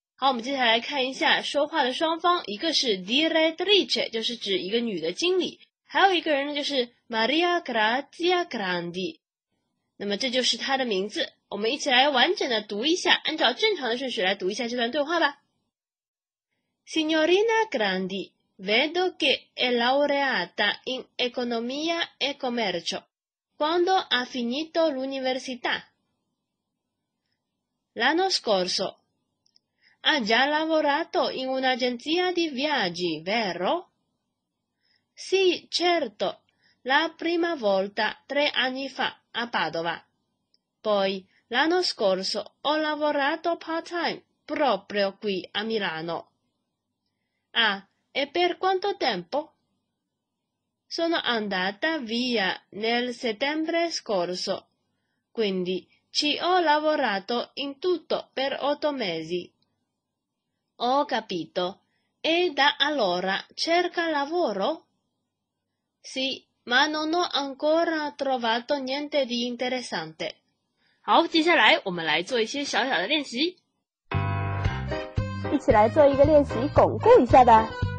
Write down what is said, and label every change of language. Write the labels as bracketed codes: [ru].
[zh] 好，我们接下来看一下说话的双方，一个是 direttrice， 就是指一个女的经理。还有一个人呢，就是 Maria Grazia Grandi， 那么这就是他的名字。我们一起来完整的读一下，按照正常的顺序来读一下这段对话吧。 [it] Signorina Grandi, vedo che è laureata in economia e commercio. Quando ha finito l'università? L'anno scorso. Ha già lavorato in un'agenzia di viaggi, vero? Sì, certo, la prima volta 3 anni fa a Padova. Poi, l'anno scorso ho lavorato part-time proprio qui a Milano. Ah, e per quanto tempo? Sono andata via nel settembre scorso, quindi ci ho lavorato in tutto per 8 mesi. Ho capito, e da allora cerca lavoro? Sì, ma non ho ancora trovato niente di interessante. [zh] 好，接下来我们来做一些小小的练习。一起来做一个练习，巩固一下吧。